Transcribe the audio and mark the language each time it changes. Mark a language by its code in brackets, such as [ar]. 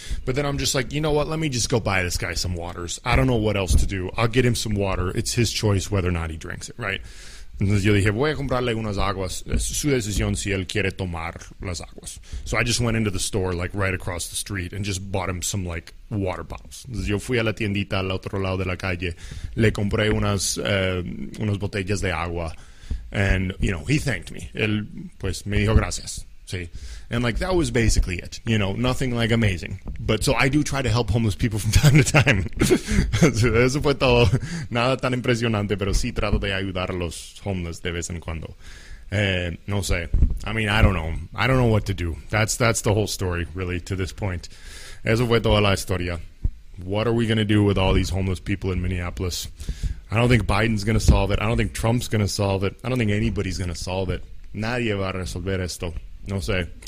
[en] But then I'm just like, you know what? Let me just go buy this guy some waters. I don't know what else to do. I'll get him some water. It's his choice whether or not he drinks it, right? [es] Entonces yo dije, voy a comprarle unas aguas. Es su decisión si él quiere tomar las aguas. [en] So I just went into the store, like, right across the street and just bought him some, like, water bottles. [es] Entonces yo fui a la tiendita al otro lado de la calle. Le compré unas botellas de agua. [en] And, you know, he thanked me. [es] Él, pues, me dijo gracias. ¿Sí? [en] And, like, that was basically it. You know, nothing, like, amazing. But so I do try to help homeless people from time to time. [es] Eso fue todo. Nada tan impresionante, pero sí trato de ayudar a los homeless de vez en cuando. No sé. [en] I mean, I don't know. I don't know what to do. That's the whole story, really, to this point. [es] Eso fue toda la historia. [en] What are we going to do with all these homeless people in Minneapolis? I don't think Biden's going to solve it. I don't think Trump's going to solve it. I don't think anybody's going to solve it. [es] Nadie va a resolver esto. No sé.